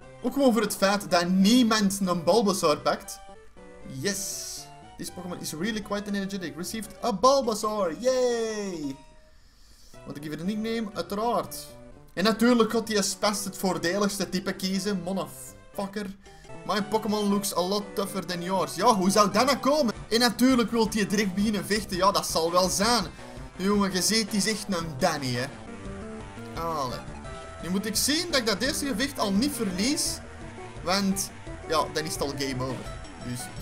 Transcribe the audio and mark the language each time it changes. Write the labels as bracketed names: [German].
[Dutch] Ook gewoon voor het feit dat niemand een Bulbasaur pakt. [English] Yes! This Pokémon is really quite an energetic. Received a Bulbasaur! Yay! [Dutch] Want ik geef het een nickname, uiteraard. En natuurlijk had hij als best het voordeligste type kiezen, motherfucker. [English] My Pokémon looks a lot tougher than yours. [Dutch] Ja, hoe zou dat nou komen? En natuurlijk wilt hij direct beginnen vechten. Ja, dat zal wel zijn. Jongen, je ziet, die is echt een Danny, hè. Allee. Nu moet ik zien dat ik dat eerste gevecht al niet verlies. Want, ja, dan is het al game over. Dus.